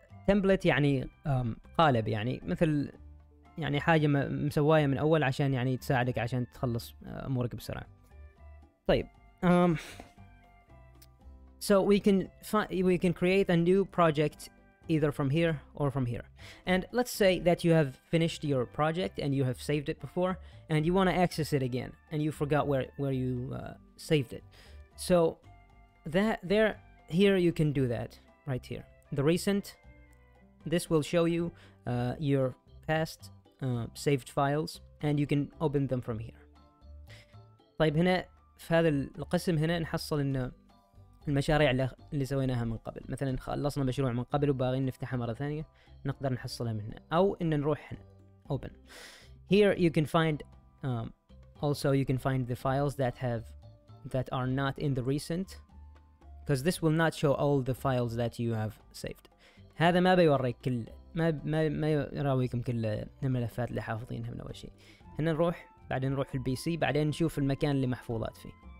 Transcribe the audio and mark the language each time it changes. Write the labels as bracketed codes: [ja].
[ar] Template يعني قالب يعني مثل يعني حاجة مسوية من أول عشان يعني تساعدك عشان تخلص أمورك بسرعة. طيب. [en] So we can create a new project either from here or from here. And let's say that you have finished your project and you have saved it before and you want to access it again and you forgot where you saved it. So here you can do that right here. The recent, this will show you your past saved files, and you can open them from here. [ar] طيب هنا في هذا القسم هنا نحصل إن المشاريع اللي سويناها من قبل. مثلا خلصنا مشروع من قبل وباغين نفتحها مرة ثانية نقدر نحصلها من هنا. أو إن نروح هنا. Open. [en] Here you can find also you can find the files that are not in the recent. Because this will not show all the files that you have saved. [ar] هذا ما بيوريك كل ما يراويكم كل الملفات اللي حافظينها من أول شيء. هنا نروح بعدين نروح في البي سي بعدين نشوف المكان اللي محفوظات فيه.